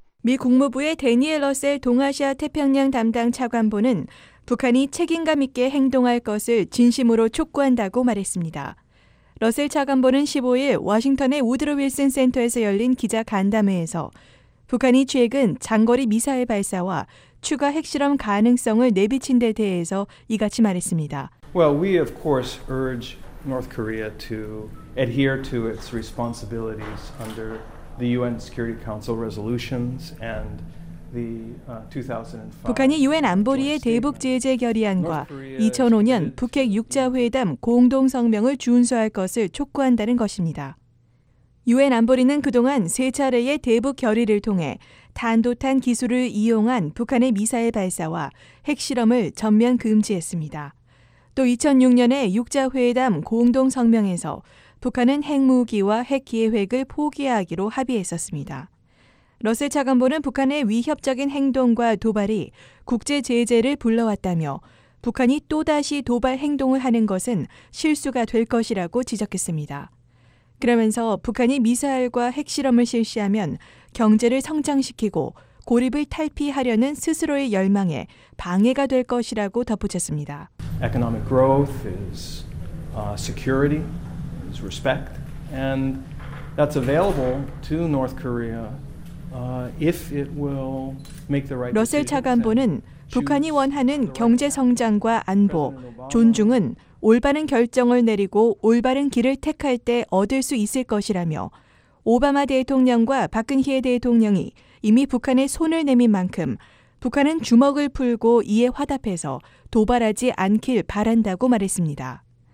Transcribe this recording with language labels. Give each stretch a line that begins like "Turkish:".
Korean: 미 국무부의 대니엘 러셀 동아시아 태평양 담당 차관보는 북한이 책임감 있게 행동할 것을 진심으로 촉구한다고 말했습니다. 러셀 차관보는 15일 워싱턴의 우드로 윌슨 센터에서 열린 기자 간담회에서 북한이 최근 장거리 미사일 발사와 추가 핵실험 가능성을 내비친 데 대해서 이같이 말했습니다.
English: Well, we of course urge North Korea to adhere to its responsibilities under the UN Security Council resolutions and the 2005
Korean: 북한이 UN 안보리의 대북 제재 결의안과 2005년 북핵 6자 회담 공동 성명을 준수할 것을 촉구한다는 것입니다. UN 안보리는 그동안 세 차례의 대북 결의를 통해 탄도탄 기술을 이용한 북한의 미사일 발사와 핵 실험을 전면 금지했습니다. 또 2006년에 6자 회담 공동 성명에서 북한은 핵무기와 핵기획을 포기하기로 합의했었습니다. 러셀 차관보는 북한의 위협적인 행동과 도발이 국제 제재를 불러왔다며 북한이 또다시 도발 행동을 하는 것은 실수가 될 것이라고 지적했습니다. 그러면서 북한이 미사일과 핵실험을 실시하면 경제를 성장시키고 고립을 탈피하려는 스스로의 열망에 방해가 될 것이라고 덧붙였습니다.
English: Economic growth is security. respect and that's available to North Korea if it will make the right
Korean: 러셀 차관보는 북한이 원하는 경제 성장과 안보, 존중은 올바른 결정을 내리고 올바른 길을 택할 때 얻을 수 있을 것이라며 오바마 대통령과 박근혜 대통령이 이미 북한에 손을 내민 만큼 북한은 주먹을 풀고 이에 화답해서 도발하지 않길 바란다고 말했습니다.